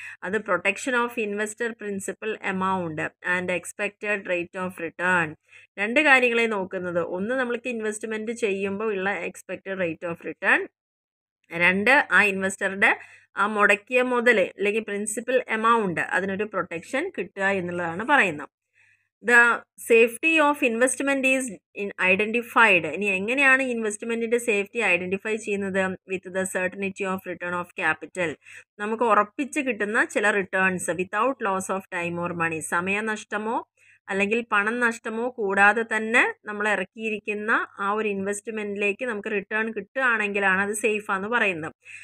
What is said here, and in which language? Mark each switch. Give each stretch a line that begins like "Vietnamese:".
English: അത് protection of investor principal amount and expected rate of return,
Malayalam: രണ്ട് കാര്യങ്ങളെ നോക്കുന്നത്. ഒന്ന്, നമ്മൾക്ക് ഇൻവെസ്റ്റ്മെൻറ്റ് ചെയ്യുമ്പോൾ ഉള്ള എക്സ്പെക്റ്റഡ് റേറ്റ് ഓഫ് റിട്ടേൺ, രണ്ട്, ആ ഇൻവെസ്റ്ററുടെ ആ മുടക്കിയ മുതൽ അല്ലെങ്കിൽ പ്രിൻസിപ്പൽ എമൗണ്ട് അതിനൊരു പ്രൊട്ടക്ഷൻ കിട്ടുക എന്നുള്ളതാണ് പറയുന്നത്.
English: The safety of investment is identified.
Malayalam: ഇനി എങ്ങനെയാണ് ഇൻവെസ്റ്റ്മെൻറ്റിൻ്റെ സേഫ്റ്റി ഐഡൻറ്റിഫൈ ചെയ്യുന്നത്?
English: With the certainty of return of capital.
Malayalam: നമുക്ക് ഉറപ്പിച്ച് കിട്ടുന്ന ചില
English: Returns without loss of time or money.
Malayalam: സമയനഷ്ടമോ അല്ലെങ്കിൽ പണം നഷ്ടമോ കൂടാതെ തന്നെ നമ്മൾ ഇറക്കിയിരിക്കുന്ന ആ ഒരു ഇൻവെസ്റ്റ്മെന്റിലേക്ക് നമുക്ക് റിട്ടേൺ കിട്ടുകയാണെങ്കിലാണ് അത് സേഫാന്ന് പറയുന്നത്.